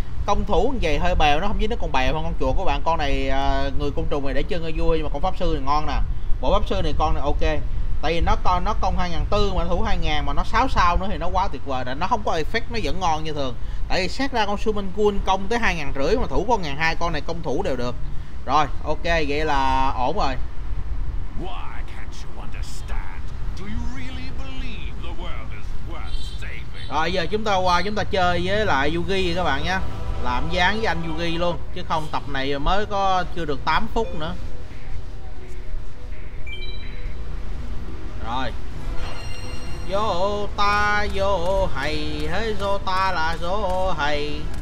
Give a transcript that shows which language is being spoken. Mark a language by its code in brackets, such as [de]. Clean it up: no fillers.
[vi] Công thủ vậy hơi bèo, nó không chí nó còn bèo hơn con chuột của bạn. Con này người côn trùng này để chơi hơi vui, nhưng mà con pháp sư này ngon nè. Bộ pháp sư này con này ok. Tại vì nó công 2004 mà nó thủ 2000 mà nó 6 sao nữa thì nó quá tuyệt vời. Nó không có effect, nó vẫn ngon như thường. Tại vì xét ra con Summon Queen công tới 2500 mà thủ có 1200, con này công thủ đều được. Rồi, ok, vậy là ổn rồi. [en] Why can't you understand? Do you really believe the world is worth saving? [vi] Rồi giờ chúng ta qua chúng ta chơi với lại Yugi các bạn nhé. Làm gián với anh Yugi luôn, chứ không tập này mới có chưa được 8 phút nữa. Rồi. Yo ta yo hay hey yo ta là yo hay.